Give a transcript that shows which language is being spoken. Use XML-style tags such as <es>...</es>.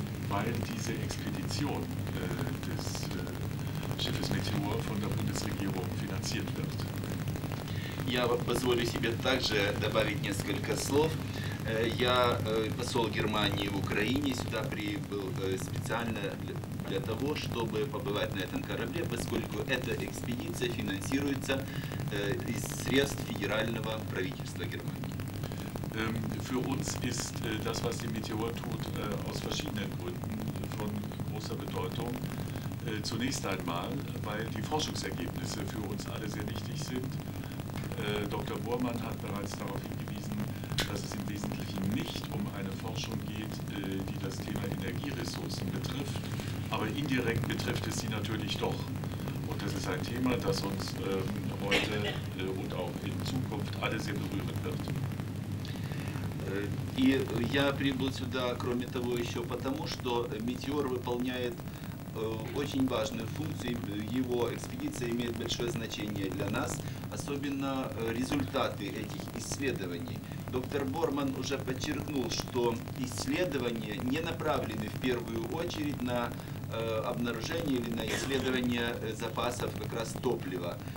<de>Weil diese Expedition des Schiffes Meteor von der Bundesregierung finanziert wird.</de> <ru>Я позволю себе также добавить несколько слов. Я посол Германии в Украине, сюда прибыл специально для того, чтобы побывать на этом корабле, поскольку эта экспедиция финансируется из средств федерального правительства Германии.</ru> <de>Für uns ist das, was die Meteor tut, aus verschiedenen Gründen von großer Bedeutung. Zunächst einmal, weil die Forschungsergebnisse für uns alle sehr wichtig sind. Dr. Bormann hat bereits darauf hingewiesen, dass es im Wesentlichen nicht um eine Forschung geht, die das Thema Energieressourcen betrifft. Aber indirekt betrifft es sie natürlich doch. Und das ist ein Thema, das uns heute und auch in Zukunft alle sehr berühren wird.</de> <ru>И я прибыл сюда, кроме того, еще потому, что Метеор выполняет очень важную функцию. Его экспедиция имеет большое значение для нас, особенно результаты этих исследований. Доктор Борман уже подчеркнул, что исследования не направлены в первую очередь на обнаружение или на исследование запасов как раз топлива.</ru>